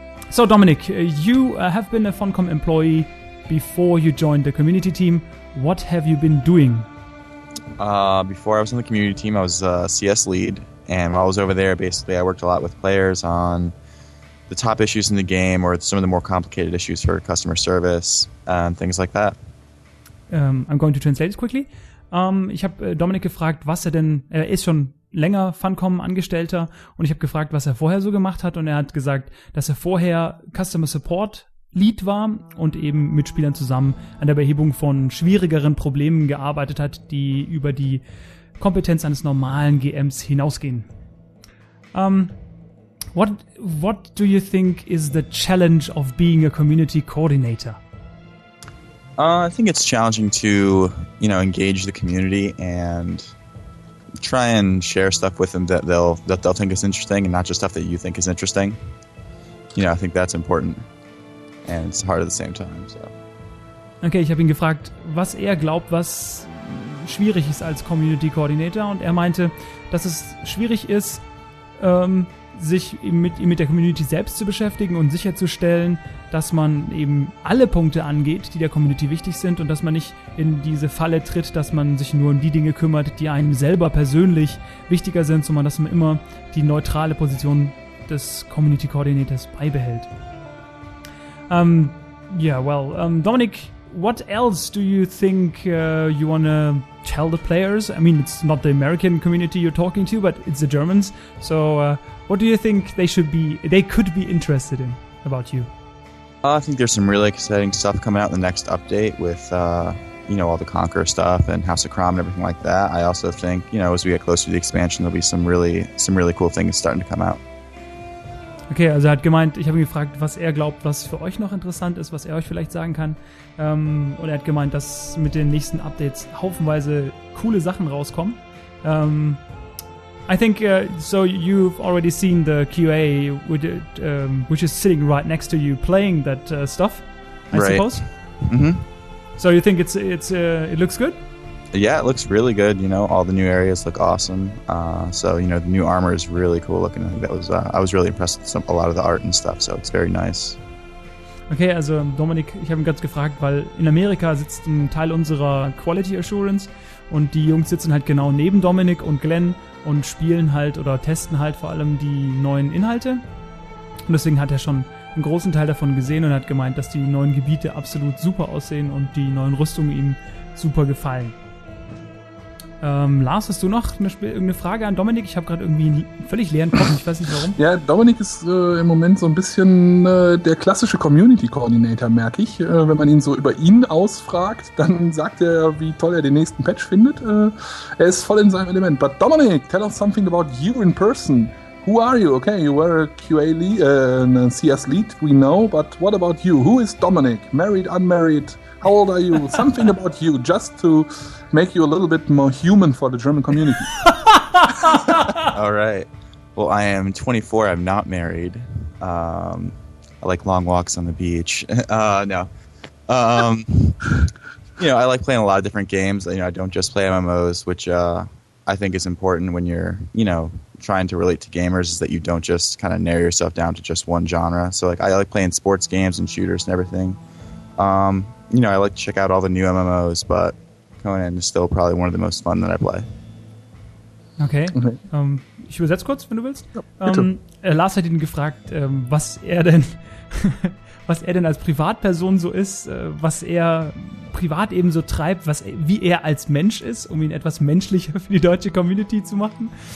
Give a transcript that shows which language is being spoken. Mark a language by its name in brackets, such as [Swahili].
[English] So, Dominic, you have been a Funcom employee before you joined the community team, what have you been doing? Before I was on the community team, I was a CS lead. And while I was over there, basically, I worked a lot with players on the top issues in the game or some of the more complicated issues for customer service and things like that. I'm going to translate it quickly. [German] Ich habe Dominik gefragt, was er denn, er ist schon länger Funcom Angestellter und ich habe gefragt, was er vorher so gemacht hat und er hat gesagt, dass er vorher Customer Support Lead war und eben mit Spielern zusammen an der Behebung von schwierigeren Problemen gearbeitet hat, die über die Kompetenz eines normalen GMs hinausgehen. [English] What do you think is the challenge of being a community coordinator? I think it's challenging to, you know, engage the community and try and share stuff with them that they'll think is interesting and not just stuff that you think is interesting. You know, I think that's important and it's hard at the same time. So. [German] Okay, ich habe ihn gefragt, was er glaubt, was schwierig ist als Community Coordinator und er meinte, dass es schwierig ist, sich mit der Community selbst zu beschäftigen und sicherzustellen, dass man eben alle Punkte angeht, die der Community wichtig sind und dass man nicht in diese Falle tritt, dass man sich nur um die Dinge kümmert, die einem selber persönlich wichtiger sind, sondern dass man immer die neutrale Position des Community Coordinators beibehält. [English] Dominic, what else do you think you want to tell the players? I mean, it's not the American community you're talking to, but it's the Germans. So, what do you think they could be interested in about you? I think there's some really exciting stuff coming out in the next update with, you know, all the Conqueror stuff and House of Crom and everything like that. I also think, you know, as we get closer to the expansion, there'll be some really cool things starting to come out. [German] Okay, also er hat gemeint, ich habe ihn gefragt, was er glaubt, was für euch noch interessant ist, was er euch vielleicht sagen kann. Und er hat gemeint, dass mit den nächsten Updates haufenweise coole Sachen rauskommen. [English] I think, so you've already seen the QA, which is sitting right next to you playing that stuff, I right. suppose. Mm-hmm. So you think it looks good? Yeah, it looks really good. You know, all the new areas look awesome. So, you know, the new armor is really cool looking. I think that was I was really impressed with a lot of the art and stuff. So it's very nice. [German] Okay, also Dominik, ich habe ihn ganz gefragt, weil in Amerika sitzt ein Teil unserer Quality Assurance und die Jungs sitzen halt genau neben Dominik und Glenn und spielen halt oder testen halt vor allem die neuen Inhalte. Und deswegen hat er schon einen großen Teil davon gesehen und hat gemeint, dass die neuen Gebiete absolut super aussehen und die neuen Rüstungen ihm super gefallen. Lars, hast du noch irgendeine Frage an Dominik? Ich habe gerade irgendwie einen völlig leeren Kopf, ich weiß nicht warum. Ja, Dominik ist im Moment so ein bisschen der klassische Community-Coordinator, merke ich. Wenn man ihn so über ihn ausfragt, dann sagt er, wie toll er den nächsten Patch findet. Er ist voll in seinem Element. [English] But Dominik, tell us something about you in person. Who are you? Okay, you were a QA lead, a CS lead, we know. But what about you? Who is Dominik? Married, unmarried? How old are you? Something about you, just to make you a little bit more human for the German community. All right. Well, I am 24. I'm not married. I like long walks on the beach. No. You know, I like playing a lot of different games. You know, I don't just play MMOs, which I think is important when you're, you know, trying to relate to gamers, is that you don't just kind of narrow yourself down to just one genre. So, like, I like playing sports games and shooters and everything. You know, I like to check out all the new MMOs, but Conan is still probably one of the most fun that I play. [German] Okay. Ich übersetze kurz, wenn du willst. Ja, bitte. Lars hat ihn gefragt, was er denn als Privatperson so ist, was er privat eben so treibt, wie er als Mensch ist, um ihn etwas menschlicher für die deutsche Community zu machen.